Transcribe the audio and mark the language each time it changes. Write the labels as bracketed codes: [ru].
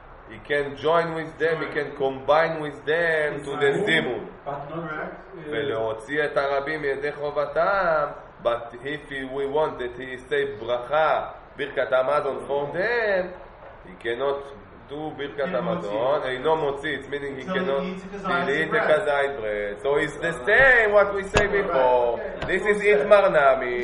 [en] He can join with them, he can combine with them to the zimun. [he] ולהוציא את הרבים ידי חובתם. [en] But if we want that he say ברכה, ברכת המזון for them, he cannot do Birkat Amazon, he no motzi, it's meaning he cannot eat a kazai bread. So it's the same what we say before. This is [arc] Itmar Nami.